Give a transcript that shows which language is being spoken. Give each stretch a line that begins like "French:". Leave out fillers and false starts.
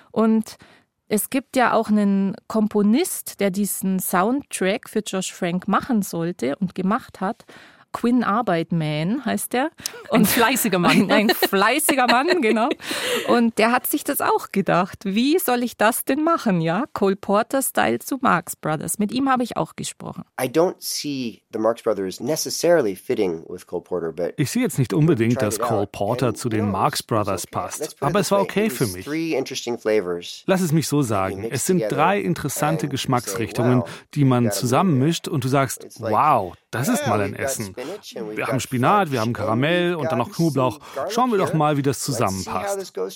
German: Und es gibt ja auch einen Komponist, der diesen Soundtrack für Josh Frank machen sollte und gemacht hat. Quinn Arbeitman heißt der. Und ein fleißiger Mann. Ein fleißiger Mann, genau. Und der hat sich das auch gedacht. Wie soll ich das denn machen, ja? Cole Porter-Style zu Marx Brothers. Mit ihm habe ich auch gesprochen.
English: I don't see the Marx Brothers necessarily fitting with Cole Porter, but
German: ich sehe jetzt nicht unbedingt, dass Cole Porter zu den Marx Brothers passt. Aber es war okay für mich. Lass es mich so sagen. Es sind drei interessante Geschmacksrichtungen, die man zusammenmischt und du sagst, wow, das ist mal ein Essen. Wir haben Spinat, wir haben Karamell und dann noch Knoblauch. Schauen wir doch mal, wie das zusammenpasst.